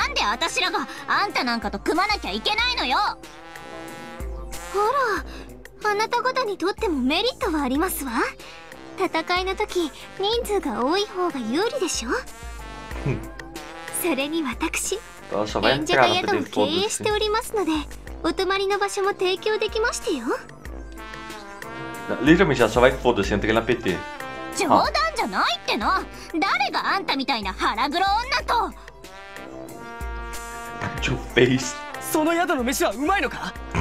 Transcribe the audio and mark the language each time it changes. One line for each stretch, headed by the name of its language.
Japanese: なんで私らがあんたなんかと組まなきゃいけないのよ!ほら、あなた方にとってもメリットはありますわ! 戦いの時、人数が多い方が有利でしょ? それに私、演者会とも経営しておりますので お泊まりの場所も提供できましてよ!
Portuguese: Literalmente, ela só vai foda-se, entrei na PT.
Japanese: 冗談じゃないっての! 誰があんたみたいな腹黒女と! その宿の飯はうまいのか?